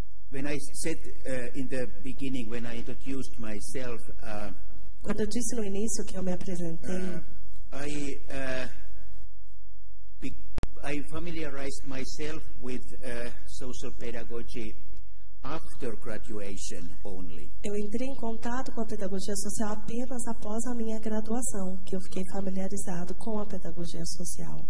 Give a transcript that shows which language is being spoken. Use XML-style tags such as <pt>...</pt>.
<en>When I said in the beginning, when I introduced myself,</en> <pt>quando eu disse no início que eu me apresentei,</pt> <en>I familiarized myself with social pedagogy after graduation only.</en> <pt>Eu entrei em contato com a pedagogia social apenas após a minha graduação, que eu fiquei familiarizado com a pedagogia social.</pt>